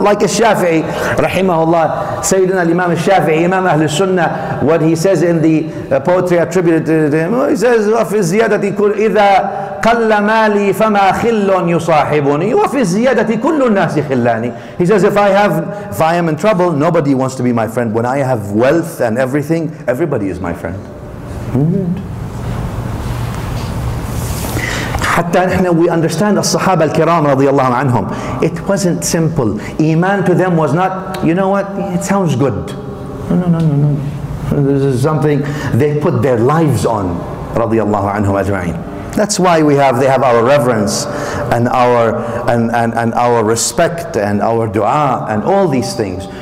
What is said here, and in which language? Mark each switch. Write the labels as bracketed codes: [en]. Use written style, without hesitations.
[en] Like al-Shafi'i, rahimahullah, Sayyidina al-Imam al-Shafi'i, Imam Ahl al-Sunnah, what he says in the poetry attributed to him, he says, [ar] وَفِي الزِّيَادَةِ إِذَا قَلَّ مَالِي فَمَا خِلٌّ يُصَاحِبُنِي وَفِي الزِّيَادَةِ كُلُّ النَّاسِ خِلَّانِي. [en] He says, if I am in trouble, nobody wants to be my friend. When I have wealth and everything, everybody is my friend. [ar] حتى نحن, [en] we understand [ar] الصحابة الكرام رضي الله عنهم. [en] It wasn't simple. Iman to them was not, you know what, it sounds good. No. This is something they put their lives on [ar] رضي الله عنهم أجمعين. [en] That's why they have our reverence and our respect and our dua and all these things.